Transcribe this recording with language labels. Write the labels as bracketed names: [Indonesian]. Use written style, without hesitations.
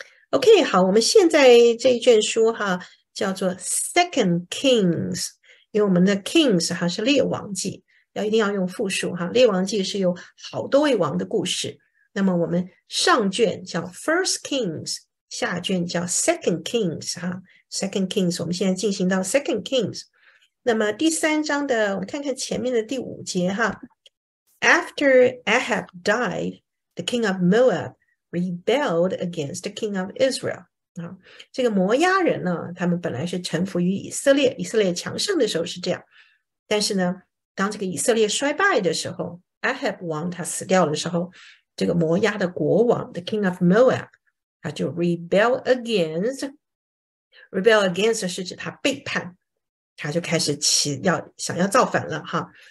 [Chinese] OK，好，我们现在这一卷书哈，叫做 Second Kings，因为我们的 Kings 哈是列王记，一定要用复数哈。列王记是有好多位王的故事，那么我们上卷叫 First Kings，下卷叫 Second Kings 哈。 Second Kings，我们现在进行到 Second Kings。那么第三章的，我们看看前面的第五节哈。 [English] After Ahab died, the king of Moab rebelled against the king of Israel。 [Chinese] 啊，这个摩押人呢，他们本来是臣服于以色列，以色列强盛的时候是这样。但是呢，当这个以色列衰败的时候，Ahab 王他死掉的时候，这个摩押的国王 [English] the king of Moab， [Chinese] 他就 [English] rebel against [Chinese] 是指他背叛，他就开始起要想要造反了哈。